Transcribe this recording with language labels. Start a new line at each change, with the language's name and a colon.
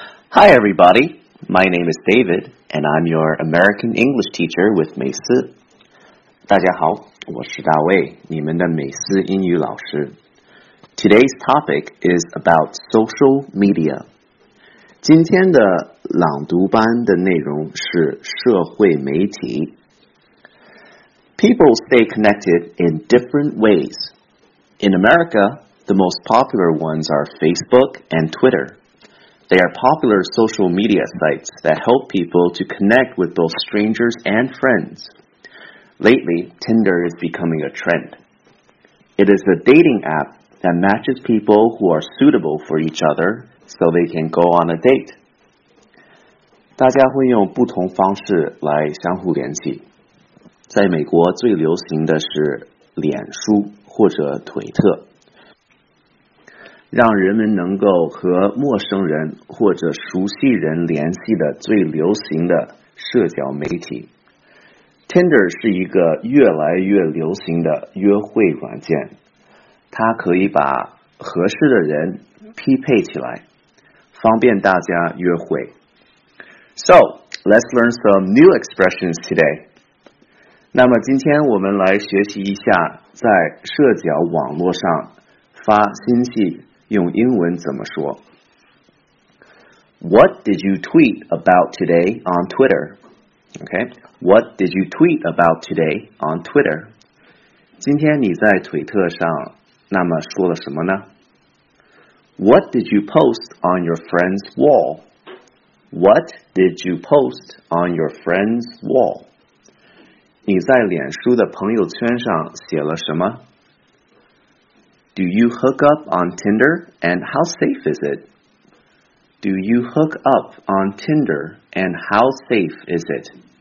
English: Hi everybody, my name is David, and I'm your American English teacher with 美思。
Chinese: 大家好，我是大卫，你们的美思英语老师。
English: Today's topic is about social media.
Chinese: 今天的朗读班的内容是社会媒体。
English: People stay connected in different ways. In America, the most popular ones are Facebook and Twitter. They are popular social media sites that help people to connect with both strangers and friends. Lately, Tinder is becoming a trend. It is a dating app that matches people who are suitable for each other so they can go on a date.
Chinese: 大家会用不同方式来相互联系。在美国最流行的是脸书或者推特。让人们能够和陌生人或者熟悉人联系的最流行的社交媒体。 Tinder 是一个越来越流行的约会软件，它可以把合适的人匹配起来，方便大家约会。
English: So, let's learn some new expressions today.
Chinese: 那么今天我们来学习一下在社交网络上发信息用英文怎么说。
English: What did you tweet about today on Twitter? Okay, what did you tweet about today on Twitter?
Chinese: 今天你在推特上那么说了什么呢？
English: What did you post on your friend's wall? What did you post on your friend's wall?
Chinese: 你在脸书的朋友圈上写了什么？
English: Do you hook up on Tinder and how safe is it? Do you hook up on Tinder and how safe is it?